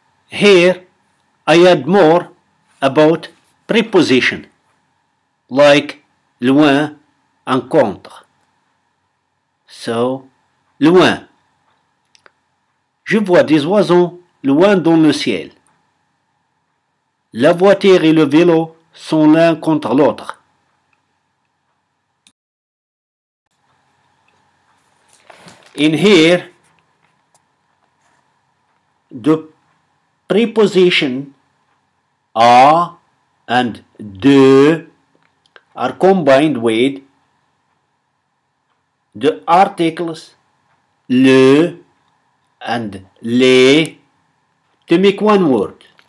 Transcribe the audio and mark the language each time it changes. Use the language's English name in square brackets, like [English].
[English] Here, I add more about preposition, like loin and contre. So, loin. [French] Je vois des oiseaux loin dans le ciel. La voiture et le vélo sont l'un contre l'autre. [English] In here, the preposition a and de are combined with the articles le and les to make one word.